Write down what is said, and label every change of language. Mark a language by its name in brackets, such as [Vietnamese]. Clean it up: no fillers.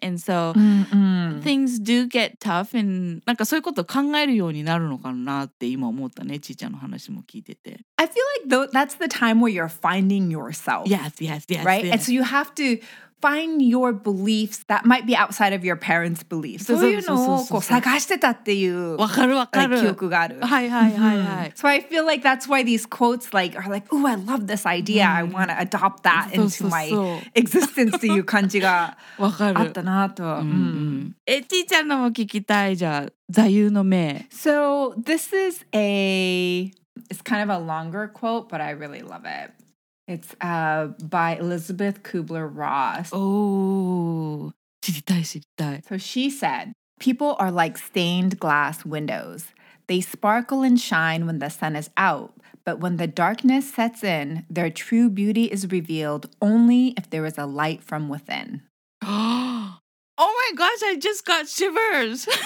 [English] And so things do get tough, and [Japanese] なんかそういうこと考えるようになるのかなって今思ったね、ちーちゃんの話も聞いてて。 [English] I feel like that's the time where you're finding yourself. Yes, yes, yes. Right? Yes. And so you have to... Find your beliefs that might be outside of your parents' beliefs. [Japanese] そういうのをこう探してたっていう、わかるわかる、記憶がある。はいはいはいはい。 [English] So I feel like that's why these quotes like are like, ooh, I love this idea. I want to adopt that into my existence. [Japanese] っていう感じがわかる。あったなと。え、ちーちゃんのも聞きたいじゃ、座右の銘。 [English] So this is a, it's kind of a longer quote, but I really love it. It's by Elizabeth Kubler-Ross. [Japanese] Oh, 知りたい知りたい。 [English] So she said, People are like stained glass windows. They sparkle and shine when the sun is out, but when the darkness sets in, their true beauty is revealed only if there is a light from within. Oh my gosh, I just got shivers.